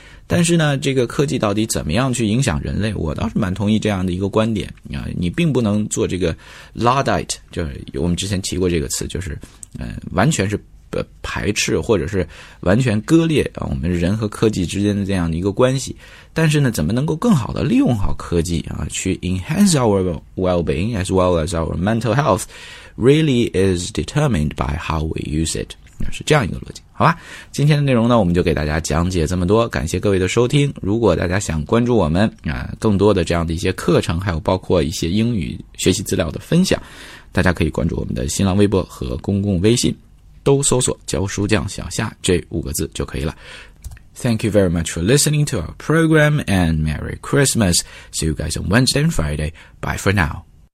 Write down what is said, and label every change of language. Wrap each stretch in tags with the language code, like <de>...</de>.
<zh>但是呢这个科技到底怎么样去影响人类，我倒是蛮同意这样的一个观点啊，你并不能做这个 Luddite, 就是我们之前提过这个词，就是完全是排斥或者是完全割裂啊我们人和科技之间的这样的一个关系。但是呢怎么能够更好的利用好科技啊，去</zh> <en>enhance our well-being as well as our mental health, really is determined by how we use it.</en> <zh>是这样一个逻辑，好吧，今天的内容呢我们就给大家讲解这么多，感谢各位的收听。如果大家想关注我们啊、更多的这样的一些课程还有包括一些英语学习资料的分享，大家可以关注我们的新浪微博和公共微信，都搜索教书匠小夏这五个字就可以了。</zh> <en>Thank you very much for listening to our program and Merry Christmas. See you guys on Wednesday and Friday. Bye for now.</en>